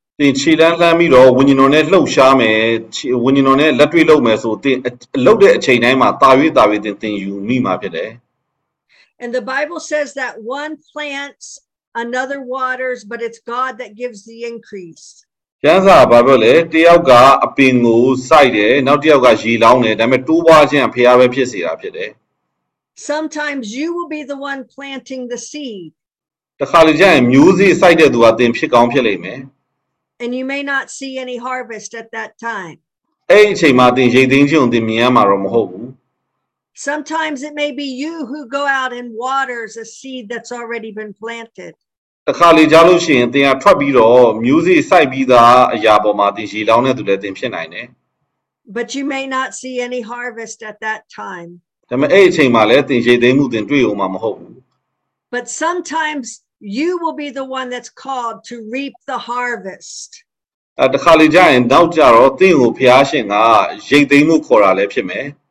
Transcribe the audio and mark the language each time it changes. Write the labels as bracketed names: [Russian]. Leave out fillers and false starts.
[English] And the Bible says that one plants, another waters, but it's God that gives the increase. Sometimes you will be the one planting the seed. [Burmese] တစ်ခါလေကျရင်မျိုးစေ့စိုက်တဲ့သူကသင်ဖြစ်ကောင်းဖြစ်လိမ့်မယ် [English] And you may not see any harvest at that time [Burmese] အဲ့အချိန်မှာသင်ရိတ်သိမ်းခြင်းကိုသင်မြင်ရမှာတော့မဟုတ်ဘူး [English] Sometimes it may be you who go out and waters a seed that's already been planted [Burmese] တစ်ခါလေကျလို့ရှိရင်သင်ကထွက်ပြီးတော့မျိုးစေ့စိုက်ပြီးသားအရာပေါ်မှာသင်ရေလောင်းတဲ့သူလည်းသင်ဖြစ်နိုင်တယ် [English] But you may not see any harvest at that time. [Burmese] ဒါပေမဲ့အဲ့အချိန်မှာလည်းသင်ရှိသေးမှုသင်တွေ့အောင်မှာမဟုတ်ဘူး [English] ။ But sometimes you will be the one that's called to reap the harvest. [Burmese] အဲ့တခါလေကျရင်နောက်ကျတော့သင်ကိုဖျားရှင်ကရိတ်သိမ်းမှုခေါ်တာလည်းဖြစ်မယ်